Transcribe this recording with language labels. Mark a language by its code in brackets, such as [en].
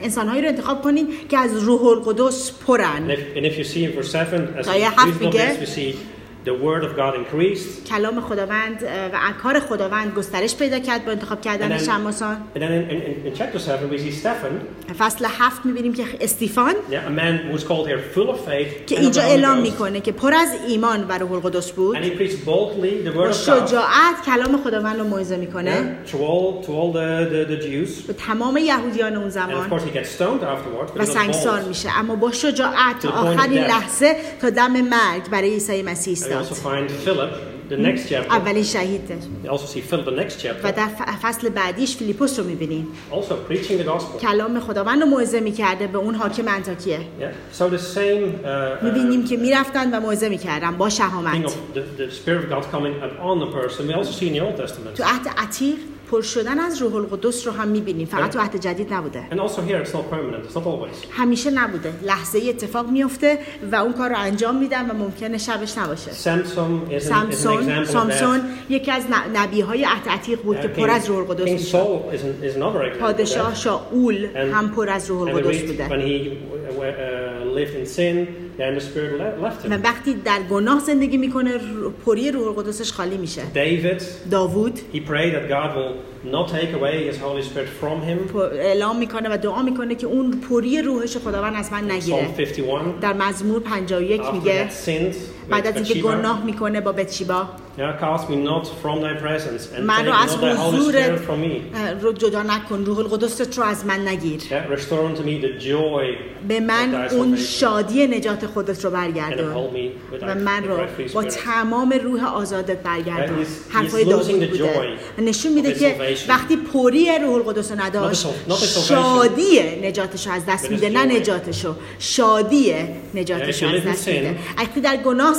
[fa] انسانهایی رو انتخاب کنید که از روح القدس پرند. [en] And if you see in verse 7, as we see the word of God increased. [fa] کلام خداوند و انکار خداوند گسترش پیدا کرد با انتخاب کردن شماسان. [en] And then in chapter 7 we see Stephen. [fa] فصل 7 می‌بینیم که استیفان. [en] Yeah, a man who was called here full of faith. [fa] که اینجا اعلام می‌کنه که پر از ایمان و روح القدس بود. [en] And he preached boldly the word of God. [fa] شجاعت کلام خداوند رو موعظه می‌کنه. [en] To all the Jews. [fa] به تمام یهودیان اون زمان. [en] And of course he gets stoned afterwards. [fa] و سنگسار میشه. اما با شجاعت آخرین لحظه تا دم مرگ برای عیسی مسیح. [en] And also find Philip the next chapter. [fa] اولین شهیدش. [en] You also see Philip the next chapter. [fa] و در فصل بعدیش فیلیپوس رو می‌بینید. [en] Also preaching the gospel. [fa] کلام خداوند رو موعظه می‌کرده به اون حاکم انتاکیه. [en] Yeah. So the same [fa] می‌بینیم که می‌رفتن و موعظه می‌کردن با شهامت. [en] The spirit of God coming upon the person. We also see in the Old Testament. [fa] تو عهد عتیق پر شدن از روح القدس رو هم می‌بینیم، فقط تو عهد جدید نبوده. [en] And also here it's not permanent. It's not always. [fa] همیشه نبوده. لحظه‌ای اتفاق می‌افته و اون کار رو انجام میدن و ممکنه شبش نباشه. سامسون یکی از نبی‌های عهد عتیق بود که پر از روح القدس بود. [en] Saul is another example. [fa] پادشاه شاول هم پر از روح القدس بود. [en] When he lived in sin, then the spirit left him. [fa] و وقتی در گناه زندگی می‌کنه، پری روح القدسش خالی میشه. [en] داوود he prayed that God will not take away his Holy Spirit from him. [fa] اعلام میکنه و دعا میکنه که اون پوری روحش خداوند از من نگیره. [en] Psalm 51. [fa] در مزمور 51 میگه. بعد از اینکه گناه میکنه با بتشیبا. [en] Yeah, cast me not from thy presence and take not thy Holy Spirit from me. [fa] رو جدا نکن، روح القدست رو از من نگیر. [en] Yeah, restore unto me the joy. [fa] به من اون شادی نجات خودت رو برگردون. و من رو با تمام روح آزادت برگردون. حرفای داوود بوده. نشون میده که وقتی پوری روح القدس رو نداشت شادی نجاتش رو از دست میده، نه نجاتش رو، شادی نجاتش رو از دست میده. اگه در گناه